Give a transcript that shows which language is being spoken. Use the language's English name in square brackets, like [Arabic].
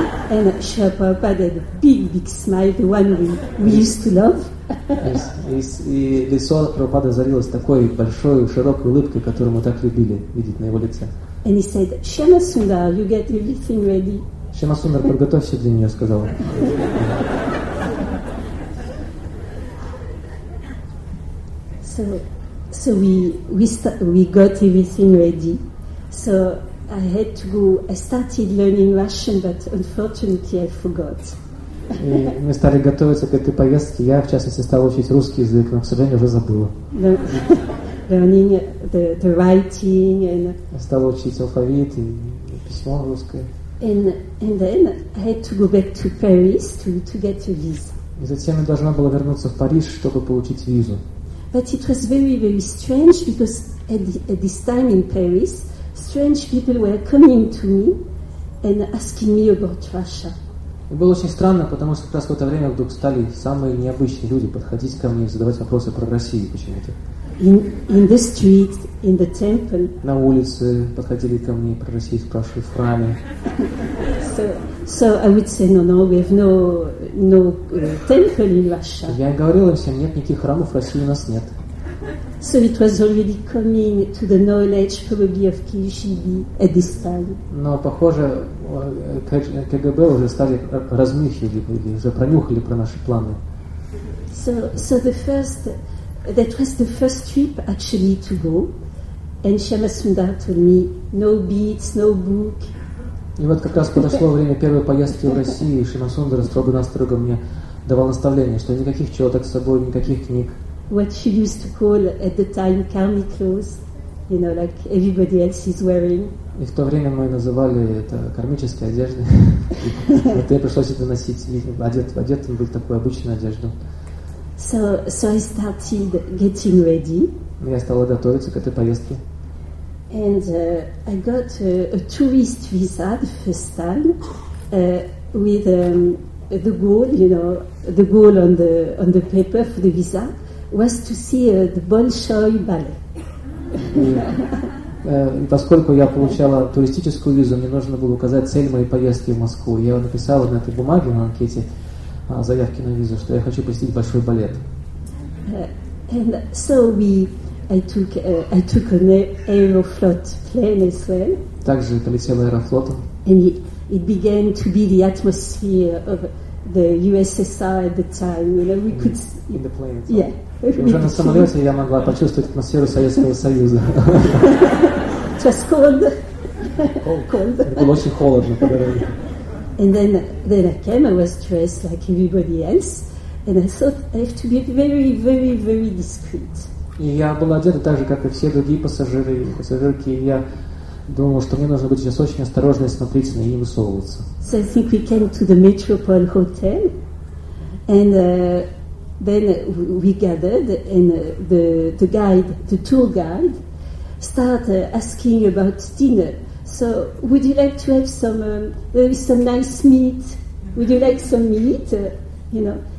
[English] And Shira Papa had a big, big smile, the one we used to love. [Russian] И лицо Прабхупады зарилось такой большой, широкой улыбкой, которую мы так любили видеть на его лице. [English] And he said, Shama Sundar, you get everything ready. [Russian] Шема Сундар, подготовься для нее, сказал он. [English] So we got everything ready. So I had to go. I started learning Russian, but unfortunately I forgot. [Russian] Мы стали готовиться к этой поездке. Я, в частности, стала учить русский язык, но, к сожалению, уже забыла. [English] Learning the writing and... [Russian] Стала учить алфавит и письмо русское. [English] And then I had to go back to Paris to get a visa. [Russian] И затем я должна была вернуться в Париж, чтобы получить визу. [English] But it was very, very strange because at this time in Paris, strange people were coming to me and asking me about Russia. [Russian] И было очень странно, потому что как раз в это время вдруг стали самые необычные люди подходить ко мне и задавать вопросы про Россию почему-то. [English] In the street, in the temple. [Russian] На улице подходили ко мне про Россию, спрашивали в храме. [English] So I would say, no, we have no temple in Russia. [Russian] Я говорил им всем, нет никаких храмов в России, у нас нет. [English] So it was already coming to the knowledge probably of KGB at this time. [Russian] Но похоже, КГБ уже стали размышляли или уже пронюхали про наши планы. [English] So the first. That was the first trip actually to go, and Shama Sundar told me no beads, no book. [Russian] И вот как раз подошло время первой поездки в Россию, и Шама Сундара строго-настрого мне давал наставление, что никаких чёток с собой, никаких книг. [English] What she used to call at the time karmi clothes, you know, like everybody else is wearing. [Russian] И в то время мы называли это кармической одеждой. Вот мне пришлось это носить, одетым быть такую обычную одежду. [English] So I started getting ready. [Russian] Я стала готовиться к этой поездке. [English] And I got a tourist visa the first time, with the goal, you know, the goal on the paper for the visa was to see the Bolshoi Ballet. [Russian] И поскольку я получала туристическую визу, мне нужно было указать цель моей поездки в Москву. Я написала на этой бумаге на анкете. Заявки на визу, что я хочу посетить большой балет. [English] And so I took an Aeroflot plane as well. [Russian] Также полетела Аэрофлотом. [English] And it began to be the atmosphere of the USSR at the time. You know, we could in the plane. So. Yeah. [Russian] Уже на самолете я могла почувствовать атмосферу Советского Союза. [English] It was cold. Cold. [Russian] Было очень холодно по дороге. [English] And then I came, I was dressed like everybody else, and I thought I have to be very, very, very discreet. [Russian] И я была одета так же, как и все другие пассажиры, пассажирки, и я думала, что мне нужно быть сейчас очень осторожной, смотрительной и не высовываться. [English] So I think we came to the Metropole Hotel, and then we gathered, and the guide, the tour guide, started asking about dinner. So, would you like to have some nice meat? Would you like some meat? You know,